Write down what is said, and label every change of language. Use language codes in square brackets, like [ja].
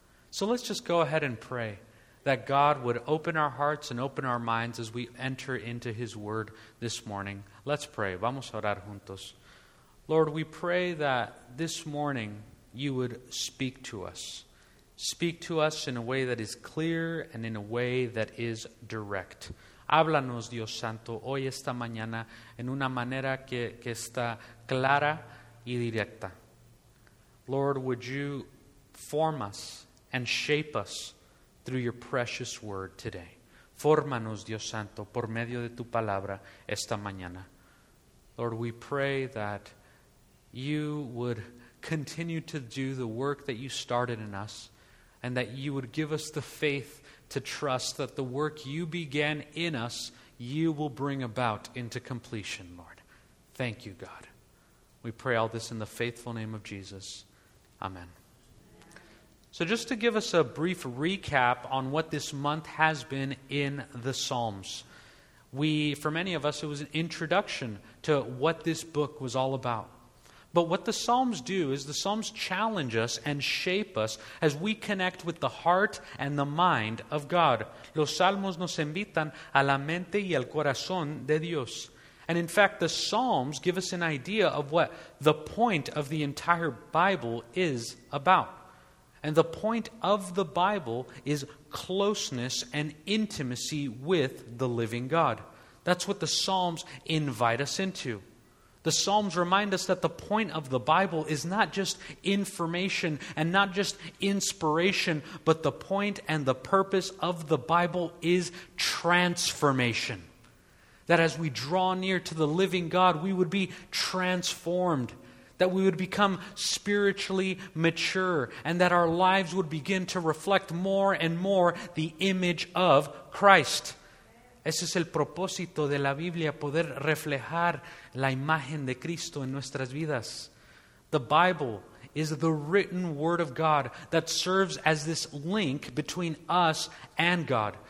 [en] So let's just go ahead and pray that God would open our hearts and open our minds as we enter into His Word this morning. Let's pray. [es] Vamos a orar juntos. [en] Lord, we pray that this morning You would speak to us. Speak to us in a way that is clear and in a way that is direct. [es] Háblanos, Dios Santo, hoy esta mañana en una manera que está clara y directa. [en] Lord, would You form us and shape us through Your precious Word today. [es] Fórmanos, Dios Santo, por medio de tu palabra esta mañana. [en] Lord, we pray that You would continue to do the work that You started in us, and that You would give us the faith to trust that the work You began in us, You will bring about into completion, Lord. Thank You, God. We pray all this in the faithful name of Jesus. Amen. So just to give us a brief recap on what this month has been in the Psalms. For many of us, it was an introduction to what this book was all about. But what the Psalms do is the Psalms challenge us and shape us as we connect with the heart and the mind of God. [es] Los Salmos nos invitan a la mente y al corazón de Dios. [en] And in fact, the Psalms give us an idea of what the point of the entire Bible is about. And the point of the Bible is closeness and intimacy with the living God. That's what the Psalms invite us into. The Psalms remind us that the point of the Bible is not just information and not just inspiration, but the point and the purpose of the Bible is transformation. That as we draw near to the living God, we would be transformed. That we would become spiritually mature, and that our lives would begin to reflect more and more the image of Christ. [es] Ese es el propósito de la Biblia, poder reflejar la imagen de Cristo en nuestras vidas. [en] The Bible is the written word of God that serves as this link between us and God.